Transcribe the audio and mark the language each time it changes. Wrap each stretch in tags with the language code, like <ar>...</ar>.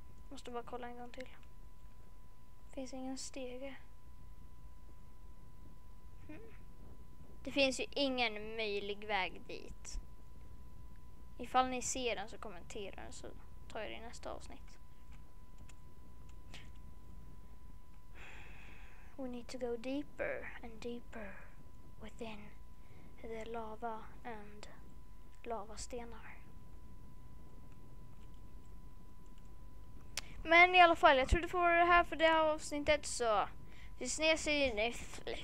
<sv>Måste bara kolla en gång till. Finns ingen stege. Det finns ju ingen möjlig väg dit. Ifall ni ser den så kommenterar den, så tar jag det i nästa avsnitt.</sv> <en>We need to go deeper and deeper within the lava and lavastenar.</en> <sv>Men i alla fall, jag tror du får det här för det här avsnittet, så vi ses i nytt.</sv>